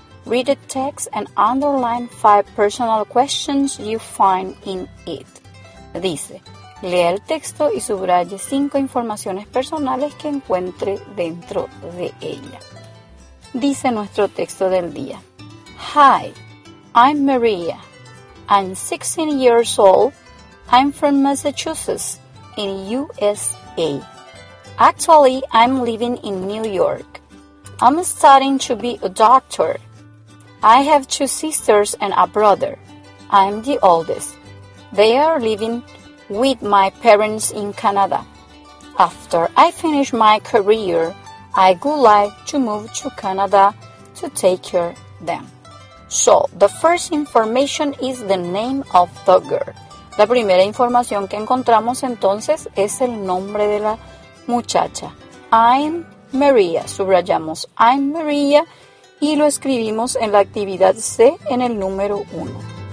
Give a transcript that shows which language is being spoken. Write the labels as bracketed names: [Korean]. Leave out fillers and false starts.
[English] Read the text and underline 5 personal questions you find in it. [Spanish] Dice, lea el texto y subraye 5 informaciones personales que encuentre dentro de ella. Dice nuestro texto del día. [English] Hi, I'm Maria. I'm 16 years old. I'm from Massachusetts in USA. Actually, I'm living in New York. I'm studying to be a doctor. I have 2 sisters and a brother. I'm the oldest. They are living with my parents in Canada. After I finish my career, I would like to move to Canada to take care of them. So, the first information is the name of the girl. [Spanish] La primera información que encontramos entonces es el nombre de la muchacha. [English] I'm Maria. [Spanish] Subrayamos I'm Maria y lo escribimos en la actividad C en el número 1.